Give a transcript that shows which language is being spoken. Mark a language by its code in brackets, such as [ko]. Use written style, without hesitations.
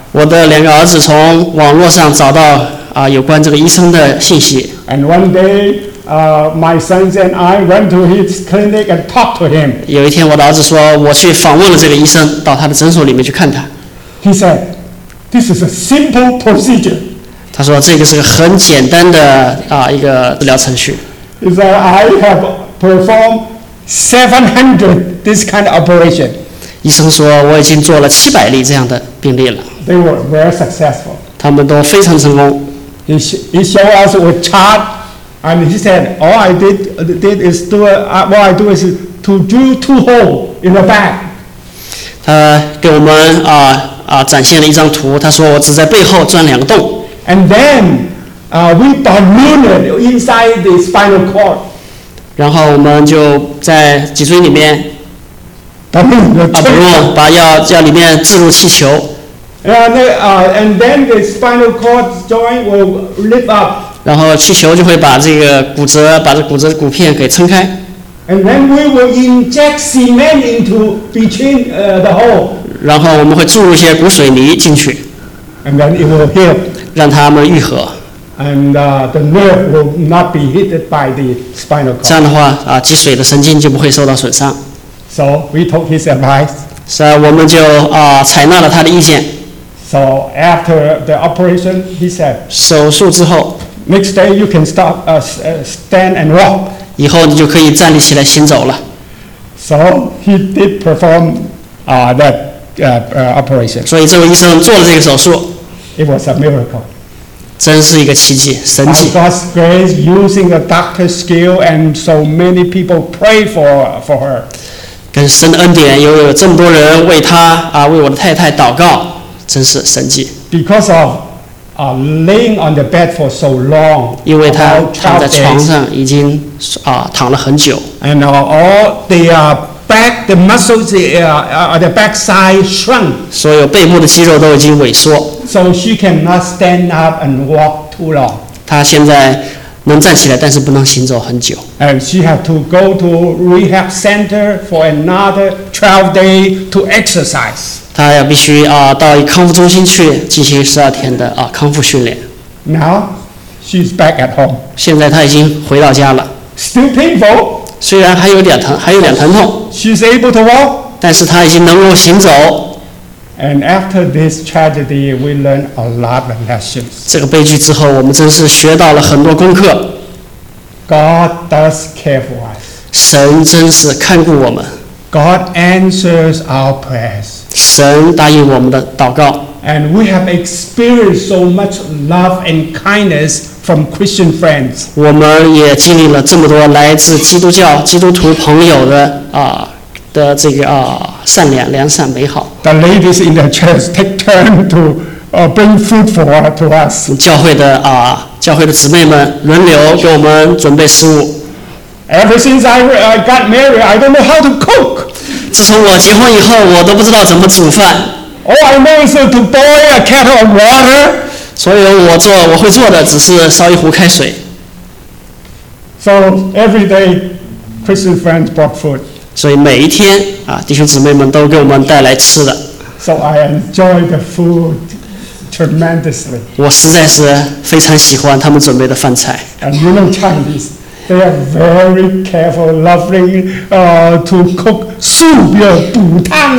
[zh] 我的两个儿子从网络上找到有关这个医生的信息。 [en] And one day. My sons and I went to his clinic and talked to him. [zh] 有一天，我的儿子说，我去访问了这个医生，到他的诊所里面去看他。 [en] He said, "This is a simple procedure." [zh] 他说，这个是个很简单的一个治疗程序。 [en] He said, "I have performed 700 this kind of operation. [zh] 医生说我已经做了700例这样的病例了。 [en] They were very successful. [zh] 他们都非常成功。 [en] He showed us a chart, and he said, "All I do is to do two holes in the back." [zh] 他给我们展现了一张图。他说我只在背后钻两个洞。 [en] And then, we ballooned inside the spinal cord. [zh] 然后我们就在脊椎里面。把要里面置入气球。 [en] And then the spinal cord joint will lift up. [zh] 然后气球就会把这个骨折，把这骨折骨片给撑开。 [en] And then we will inject cement into between the hole. [zh] 然后我们会注入一些骨水泥进去。 [en] And then it will heal. [zh] 让它们愈合。 [en] And the nerve will not be hit by the spinal cord. [zh] 这样的话，脊髓的神经就不会受到损伤。 [en] So we took his advice. [zh] 是啊，我们就采纳了他的意见。 [en] So after the operation, he said. [zh] 手术之后。 [en] Next day you can start stand and walk. [zh] 以后你就可以站立起来行走了。 [en] So he did perform operation. [zh] 所以这位医生做了这个手术。 [en] It was a miracle. [zh] 真是一个奇迹，神迹。 [en] God's grace using the doctor's skill and so many people pray for her. [zh] 跟神的恩典，又有这么多人为他为我的太太祷告，真是神迹。 [en] Because of laying on the bed for so long, [zh] 因为他躺在床上已经躺了很久。 [en] And all the back, the muscles on the backside shrunk. [zh] 所有背部的肌肉都已经萎缩。 [en] So she cannot stand up and walk too long. [zh] 她现在能站起来，但是不能行走很久。 [en] And she had to go to rehab center for another 12 days to exercise. [zh] 她要必须到康复中心去进行12天的康复训练。 [en] Now she's back at home. [zh] 现在她已经回到家了。 [en] Still painful. [zh] 虽然还有点疼痛。 [en] She's able to walk. [zh] 但是她已经能够行走。 [en] And after this tragedy, we learned a lot of lessons. [zh] 这个悲剧之后，我们真是学到了很多功课。 [en] God does care for us. [zh] 神真是看顾我们。 [en] God answers our prayers. [zh] 神答应我们的祷告。 [en] And we have experienced so much love and kindness from Christian friends. [zh] 我们也经历了这么多来自基督教基督徒朋友的善良、良善、美好。 [en] The ladies in the church take turn to bring food for to us. [zh] 教会的姊妹们轮流给我们准备食物。 [en] Ever since I got married, I don't know how to cook. [zh] 自从我结婚以后，我都不知道怎么煮饭。 [en] All I know is to boil a kettle of water. [zh] 所以我会做的只是烧一壶开水。 [en] So every day, Christian friends brought food. [zh] 所以每一天弟兄姊妹们都给我们带来吃的。 [en] So I enjoy the food tremendously. [zh] 我实在是非常喜欢他们准备的饭菜。 [en] And you know Chinese, they are very careful, lovely, to cook soup, 补汤。